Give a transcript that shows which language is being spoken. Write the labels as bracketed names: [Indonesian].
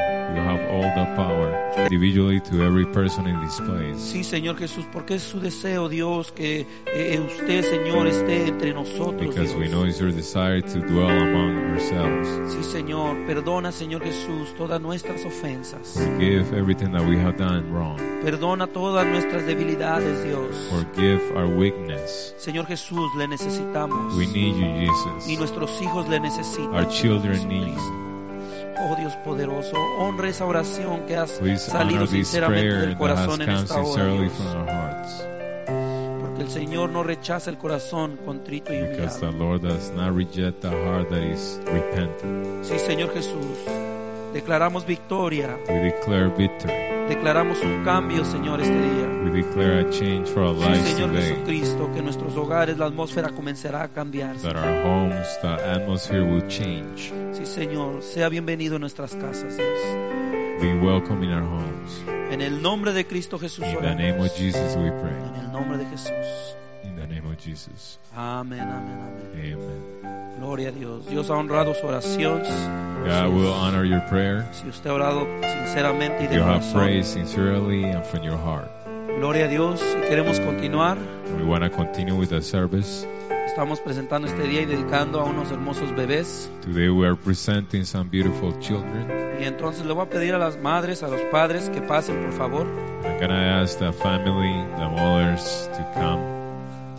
[English] You have all the power individually to every person in this place. [Spanish] Sí, Señor Jesús, porque es su deseo, Dios, que usted, Señor, esté entre nosotros. [English] Because We know it's your desire to dwell among yourselves. [Spanish] Sí, Señor, perdona, Señor Jesús, todas nuestras ofensas. [English] Forgive everything that we have done wrong. [Spanish] Perdona todas nuestras debilidades, Dios. [English] Forgive our weakness. [Spanish] Señor Jesús, le necesitamos. [English] We need you, Jesus. [Spanish] Y nuestros hijos le necesitan. [English] Our children need you. [Spanish] Oh Dios poderoso, honra esa oración que has salido sinceramente del corazón en esta hora, Dios. Porque el Señor no rechaza el corazón contrito y humillado. [English] Because the Lord does not reject the heart that is repentant. [Spanish] Sí, Señor Jesús, declaramos victoria. [English] We declare victory. [Spanish] Declaramos un cambio, Señor, este día. [English] We declare a change for our lives [Spanish] today. Sí, Señor [English] today. [Spanish] Jesucristo, que nuestros hogares, la atmósfera comenzará a cambiar. [English] That our homes, the atmosphere will change. [Spanish] Sí, Señor, sea bienvenido en nuestras casas, Dios. [English] Be welcome in our homes. [Spanish] En el nombre de Cristo Jesús. [English] In the name of Jesus we pray. [Spanish] En el nombre de Jesús. [English] In the name of Jesus. [Spanish] Amén, amén, amén. [English] Amen. [Spanish] Gloria a Dios. Dios ha honrado su oración. [English] God will honor your prayer. [Spanish] Si usted ha orado sinceramente y de corazón. [English] You have prayed sincerely and from your heart. [Spanish] Gloria a Dios. Y queremos continuar. [English] We want to continue with the service. [Spanish] Estamos presentando este día y dedicando a unos hermosos bebés. [English] Today we are presenting some beautiful children. [Spanish] Y entonces le voy a pedir a las madres, a los padres, que pasen, por favor. [English] I'm gonna ask the family, the mothers, to come.